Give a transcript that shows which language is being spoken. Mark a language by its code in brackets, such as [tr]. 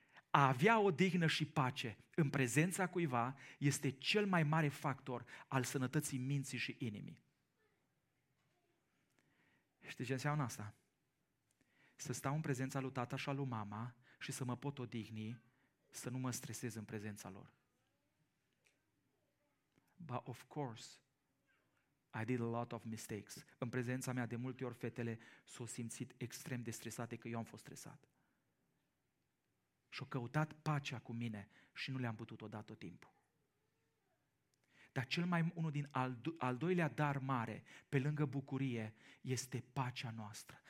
[ro] A avea odihnă și pace în prezența cuiva este cel mai mare factor al sănătății minții și inimii. Știi ce înseamnă asta? Să stau în prezența lui tata și a lui mama și să mă pot odihni, să nu mă stresez în prezența lor. [en] But of course, I did a lot of mistakes. [ro] În prezența mea, de multe ori, fetele s-au simțit extrem de stresate că eu am fost stresat. Și-au căutat pacea cu mine și nu le-am putut-o da tot timpul. Dar cel mai unul din al doilea dar mare, pe lângă bucurie, este pacea noastră.